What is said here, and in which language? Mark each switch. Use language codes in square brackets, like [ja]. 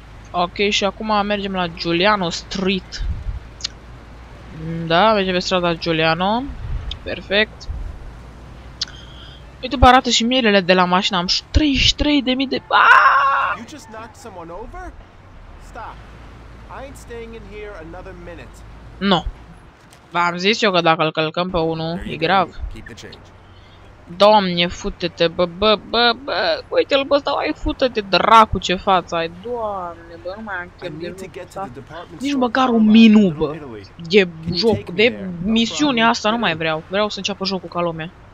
[ro] Ok, și acum mergem la Giuliano Street. Da, mergem pe strada Giuliano. Perfect. Uite, bă, arată și mierele de la mașină. Am 33.000 de... Aaaa! [en] You just knocked someone over? Stop. I ain't staying in here another minute. No. [ro] V-am zis eu că dacă îl călcăm pe unul, e grav. Doamne, fute-te, bă, uite-l, bă, stau, ai fute-te, dracu, ce față ai, doamne, bă, nu mai am chef de lucru, da? Nici măcar un minu, bă, de joc, de misiunea asta nu mai vreau, vreau să înceapă jocul ca lumea.